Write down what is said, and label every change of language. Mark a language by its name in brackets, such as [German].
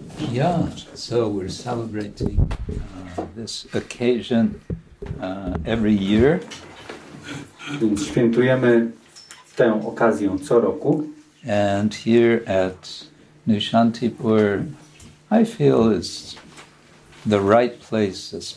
[English] Yeah, so we're celebrating this occasion every year. [Polish] Świętujemy tę okazję co roku. [English] And here at Nishantipur, I feel it's the right place.